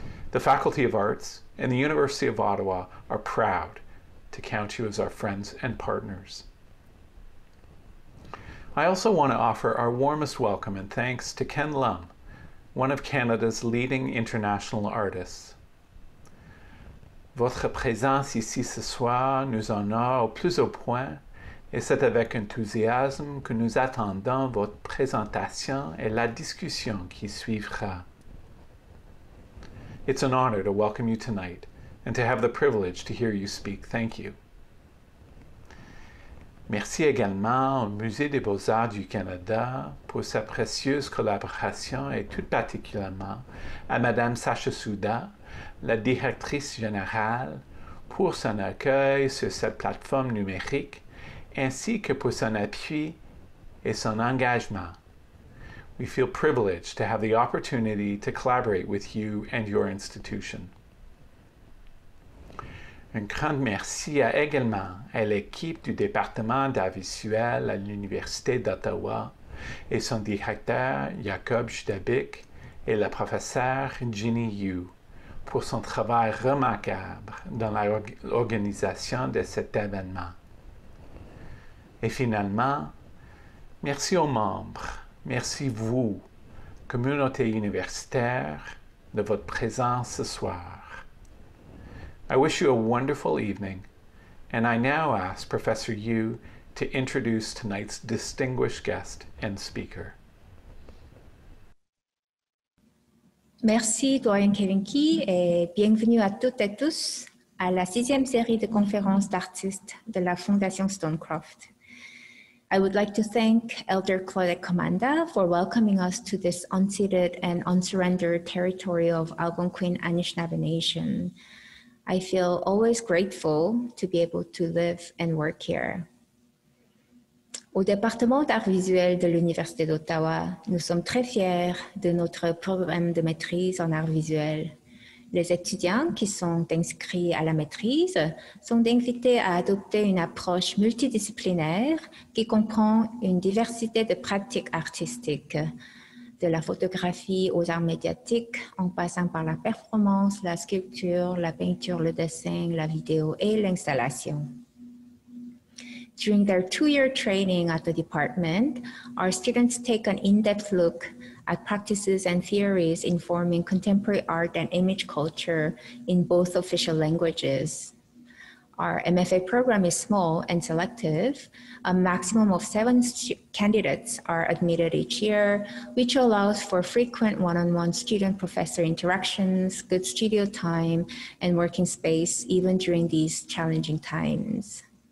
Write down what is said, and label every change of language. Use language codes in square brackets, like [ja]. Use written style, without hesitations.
[en] The Faculty of Arts and the University of Ottawa are proud to count you as our friends and partners. I also want to offer our warmest welcome and thanks to Ken Lum, one of Canada's leading international artists. [fr] Votre présence ici ce soir nous honore plus au point, et c'est avec enthousiasme que nous attendons votre présentation et la discussion qui suivra. [en] It's an honor to welcome you tonight and to have the privilege to hear you speak. Thank you. [fr] Merci également au Musée des Beaux-Arts du Canada pour sa précieuse collaboration et tout particulièrement à Madame Sacha Souda, la directrice générale, pour son accueil sur cette plateforme numérique ainsi que pour son appui et son engagement. [en] We feel privileged to have the opportunity to collaborate with you and your institution. [fr] Un grand merci à également à l'équipe du département d'art visuel à l'Université d'Ottawa et son directeur Jacob Judabic et la professeure Ginny Yu pour son travail remarquable dans l'organisation de cet événement. Et finalement, merci aux membres. Merci vous, communauté universitaire, de votre présence ce soir. [en] I wish you a wonderful evening, and I now ask Professor Yu to introduce tonight's distinguished guest and speaker. [fr] Merci, Doyen Kevin Key, et bienvenue à toutes et tous à la sixième série de conférences d'artistes de la Fondation Stonecroft. [en] I would like to thank Elder Claudette Commanda for welcoming us to this unceded and unsurrendered territory of Algonquin Anishinaabe Nation. I feel always grateful to be able to live and work here. [fr] Au département d'art visuel de l'Université d'Ottawa, nous sommes très fiers de notre programme de maîtrise en art visuel. Les étudiants qui sont inscrits à la maîtrise sont invités à adopter une approche multidisciplinaire qui comprend une diversité de pratiques artistiques, de la photographie aux arts médiatiques, en passant par la performance, la sculpture, la peinture, le dessin, la vidéo et l'installation. [en] During their two-year training at the department, our students take an in-depth look at practices and theories informing contemporary art and image culture in both official languages. Our MFA program is small and selective. A maximum of 7 candidates are admitted each year, which allows for frequent one-on-one student-professor interactions, good studio time, and working space even during these challenging times.